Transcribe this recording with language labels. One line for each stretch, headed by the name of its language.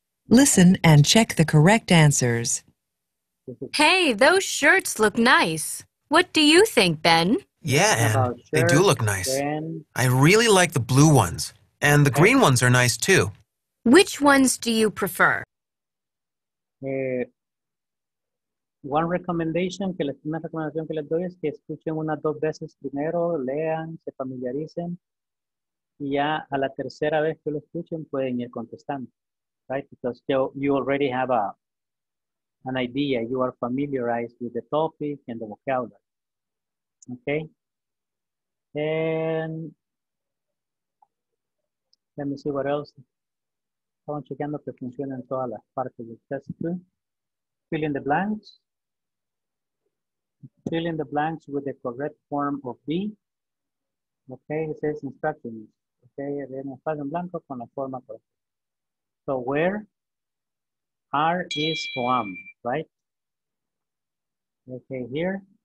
English: Listen and check the correct answers. Hey, those shirts look nice. What do you think, Ben? Yeah, Anne, they do look nice. I really like the blue ones, and the green ones are nice too. Which ones do you prefer?
Spanish: One recommendation, una recomendación que les doy es que escuchen unas dos veces primero, lean, se familiaricen, y ya a la tercera vez que lo escuchen pueden ir contestando, right?
English: Because you already have an idea, you are familiarized with the topic and the vocabulary. Okay. And let me see what else.
Spanish: Estamos chequeando que funcionen todas las partes del test too.
English: Fill in the blanks. Fill in the blanks with the correct form of B. Okay, it says instructions. Okay, then
Spanish: espacio en blanco con la forma correcta.
English: So where? R is o am, right? Okay, here.